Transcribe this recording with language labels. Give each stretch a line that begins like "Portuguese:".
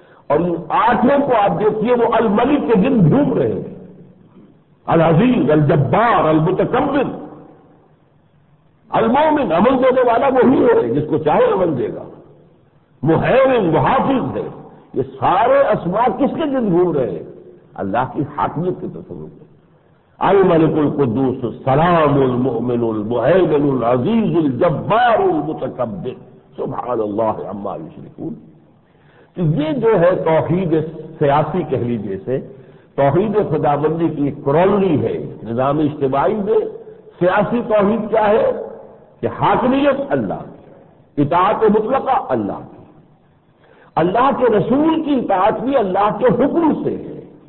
Urdu: اور ان آٹھوں کو آپ دیکھیے وہ الملک کے دن ڈھونڈ رہے ہیں، العزیز الجبار المتکبر المومن، عمل دینے والا وہی ہے جس کو چاہے عمل دے گا، مہیمن محافظ ہے. یہ سارے اسماء کس کے دن ڈھونڈ رہے ہیں؟ اللہ کی حاکمیت کے تصور میں.
Arabic: الملک القدوس السلام المؤمن المهيمن العزيز الجبار المتكبر سبحان الله عما يشركون.
Urdu: تو یہ جو ہے توحید سیاسی کہہ لیجیے، سے توحید خداوندی کی ایک کرولری ہے نظام اجتماعی میں. سیاسی توحید کیا ہے؟ کہ حاکمیت اللہ کی، اطاعت مطلقہ اللہ کی، اللہ کے رسول کی اطاعت بھی اللہ کے حکم سے ہے.